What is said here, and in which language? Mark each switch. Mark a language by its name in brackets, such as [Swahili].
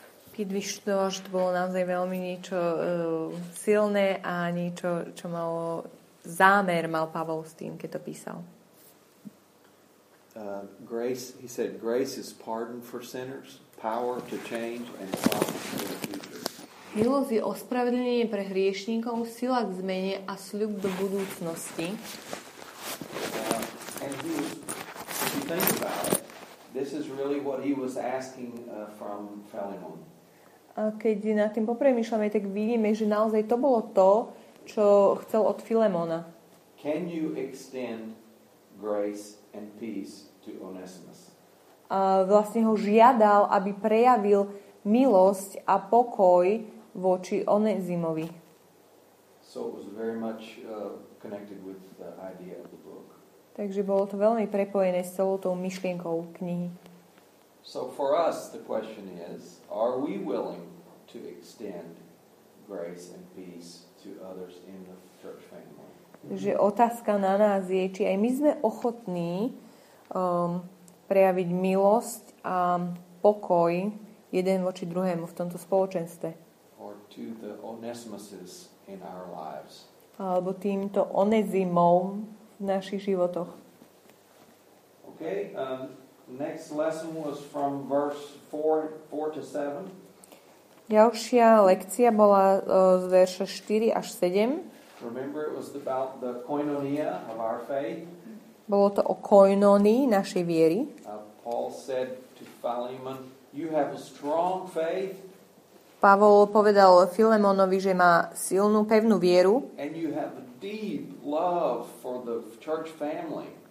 [Slovak] Pete vyštoval, že to bolo naozaj veľmi niečo silné a niečo, čo malo zámer, mal Pavol s tým, keď to písal. [English] Grace, he said, grace is pardon for sinners, power to change and promise for the future. [Slovak] Milosť je ospravedlenie pre hriešníkov, sila k zmene a sľub do budúcnosti. [English] And he was, if you think about it, this is really what he was asking from Philemon. [Slovak] A keď nad tým popremýšľame, tak vidíme, že naozaj to bolo to, čo chcel od Filemona. [English] Can you extend grace and peace to Onesimus? [Slovak] A vlastne ho žiadal, aby prejavil milosť a pokoj voči Onesimovi. [English] So it was very much connected with the idea of the book. [Slovak] Takže bolo to veľmi prepojené s celou tou myšlienkou knihy. [English] So for us the question is, are we willing to extend grace and peace to others in the church family? [Slovak] Že otázka na nás je, či aj my sme ochotní prejaviť milosť a pokoj jeden voči druhému v tomto spoločenstve. [English] Or to the Onesimuses in our lives. [Slovak] Alebo týmto Onesimom v našich životoch. [English] Okay, next lesson was from verse 4 to 7. [Slovak] Ďalšia lekcia bola z verša 4 až 7. [English] Remember, it was about the koinonia of our faith. [Slovak] Bolo to o koinonii našej viery. [English] Paul said to Philemon, you have a strong faith. [Slovak] Pavol povedal Filemonovi, že má silnú, pevnú vieru. [English] And you have a deep love for the church family.